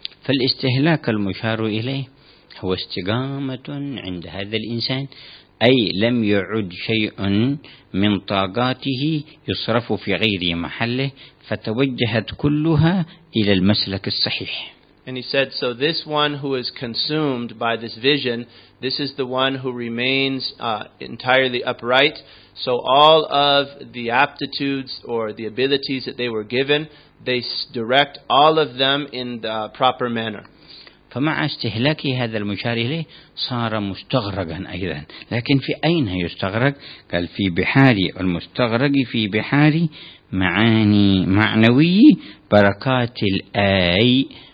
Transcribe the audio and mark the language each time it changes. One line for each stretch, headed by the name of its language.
Arabic: فالاستهلاك المشار إليه هو استقامة عند هذا الإنسان أي لم يعد شيء من طاقاته يصرف في غير محله فتوجهت كلها إلى المسلك الصحيح.
English: And he said, so this one who is consumed by this vision, this is the one who remains entirely upright. So all of the aptitudes or the abilities that they were given, they direct all of them in the proper manner.
Arabic: فمع استهلاك هذا المشار إليه صار مستغرقا أيضا. لكن في أين يستغرق؟ قال في بحاري المستغرق في بحاري معاني معنوي بركات الآي